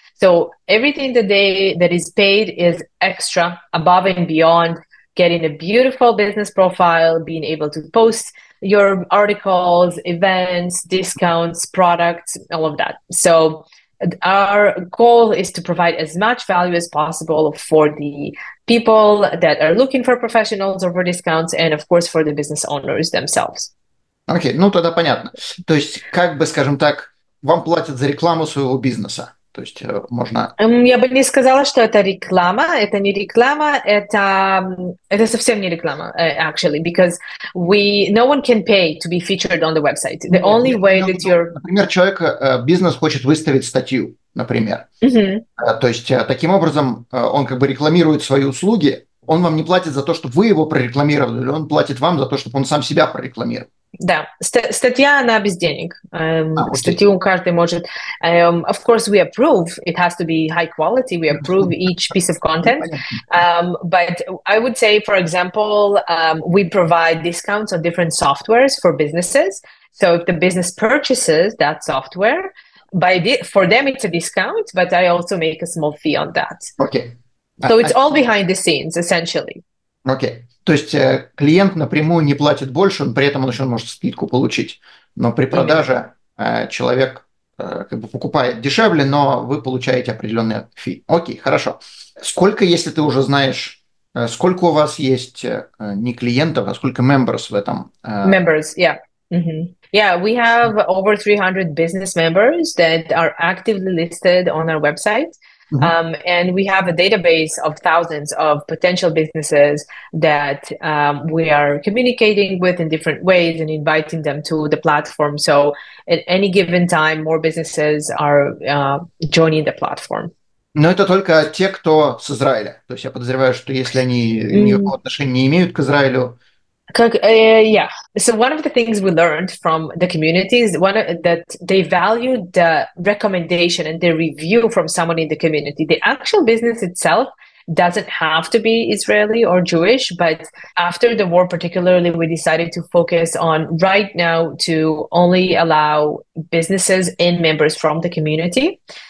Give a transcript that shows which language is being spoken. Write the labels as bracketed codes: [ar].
[en] So everything that is paid is extra, above and beyond getting a beautiful business profile, being able to post your articles, events, discounts, products, all of that. So our goal is to provide as much value as possible for the people that are looking for professionals or for discounts, and of course for the business owners themselves. [ru] Okay, ну тогда понятно. То есть, как бы, скажем так, вам платят за рекламу своего бизнеса. То есть можно. Я бы не сказала, что это реклама. Это не реклама. Это совсем не реклама, [en] actually, because no one can pay to be featured on the website. The only way that you're. [ru] Например, человек бизнес хочет выставить статью, например. Mm-hmm. То есть таким образом он как бы рекламирует свои услуги. Он вам не платит за то, чтобы вы его прорекламировали. Он платит вам за то, чтобы он сам себя прорекламировал. Да, статья, она без денег. Статью каждый может. [en] Of course, we approve. It has to be high quality. We approve each piece of content. But I would say, for example, we provide discounts on different softwares for businesses. So if the business purchases that software, for them it's a discount, but I also make a small fee on that. Okay. So it's all behind the scenes, essentially. [ru] Окей. Okay. То есть клиент напрямую не платит больше, он при этом он еще может скидку получить. Но при продаже человек как бы покупает дешевле, но вы получаете определенные фи. Окей, хорошо. Сколько, если ты уже знаешь, сколько у вас есть не клиентов, а сколько members в этом? [en] Members, yeah. Mm-hmm. Yeah, we have over 300 business members that are actively listed on our website. Mm-hmm. And we have a database of thousands of potential businesses that we are communicating with in different ways and inviting them to the platform. So at any given time, more businesses are joining the platform. [ru] Но это только те, кто с Израиля. То есть я подозреваю, что если они никакого отношения не имеют к Израилю. [en] So one of the things we learned from the community is that they value the recommendation and the review from someone in the community. The actual business itself doesn't have to be Israeli or Jewish, but after the war particularly, we decided to focus on right now to only allow businesses and members from the community.